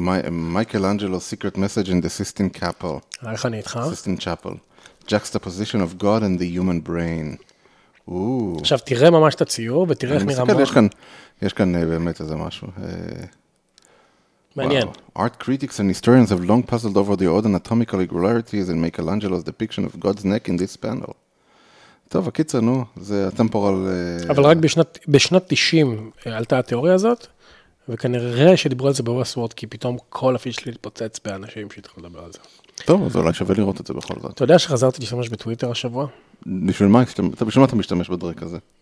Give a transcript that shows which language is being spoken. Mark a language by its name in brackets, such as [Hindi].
[English] מייקל אנג'לו, Secret Message in the Sistine Chapel. [Hebrew] איך אני איתך? [English] Sistine Chapel. Juxtaposition of God and the Human Brain. [Hebrew] עכשיו תראה ממש את הציור, ותראה איך נראה מוח. יש כאן באמת איזה משהו. מעניין. [English] Art critics and historians have long puzzled over the odd anatomical irregularities in Michelangelo's depiction of God's neck in this panel. [Hebrew] טוב, הקיצר, נו, זה הטמפורל... אבל רק בשנת 90 עלתה התיאוריה הזאת, וכנראה שדיברו על זה בווסטוורד, כי פתאום כל הפיד שלי התפוצץ באנשים שהתחילו לדבר על זה. טוב, אז אולי שווה לראות את זה בכל זאת. אתה יודע שחזרתי להשתמש בטוויטר השבוע? בשביל מה? בשביל מה אתה משתמש בדרך הזה?